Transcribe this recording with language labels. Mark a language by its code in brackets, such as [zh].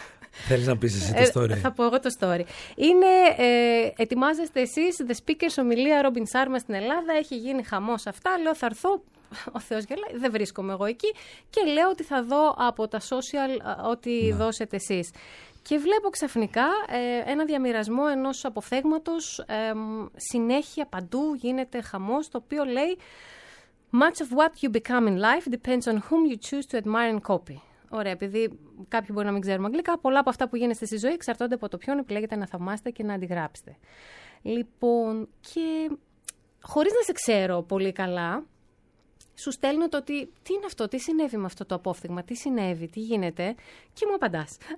[el] Θέλεις να πεις εσύ το story? Θα πω εγώ το story. Είναι, ετοιμάζεστε εσείς, The Speakers, ομιλία Robin Sharma στην Ελλάδα. Έχει γίνει χαμός αυτά. Λέω θα έρθω. Ο Θεός γελάει, δεν βρίσκομαι εγώ εκεί. Και λέω ότι θα δω από τα social ό,τι ναι. δώσετε εσείς. Και βλέπω ξαφνικά ένα διαμοιρασμό ενός αποφθέγματος, συνέχεια παντού γίνεται χαμός, το οποίο λέει [en] «Much of what you become in life depends on whom you choose to admire and copy». [el] Ωραία, επειδή κάποιοι μπορεί να μην ξέρουν αγγλικά, πολλά από αυτά που γίνεστε στη ζωή εξαρτώνται από το ποιον επιλέγετε να θαυμάσετε και να αντιγράψετε. Λοιπόν, και χωρίς να σε ξέρω πολύ καλά, σου στέλνω το ότι τι είναι αυτό, τι συνέβη με αυτό το απόφθεγμα, τι συνέβη, τι γίνεται και μου απαντάς.